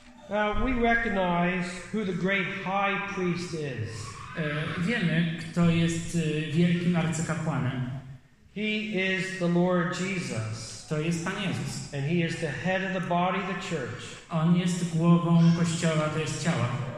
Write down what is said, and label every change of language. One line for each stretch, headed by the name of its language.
English: Now we recognize who the great high priest is.
Polish: Wiemy, kto jest wielkim arcykapłanem.
English: He is the Lord Jesus.
Polish: To jest Pan Jezus.
English: And he is the head of the body, the church.
Polish: On jest głową kościoła, to jest ciała.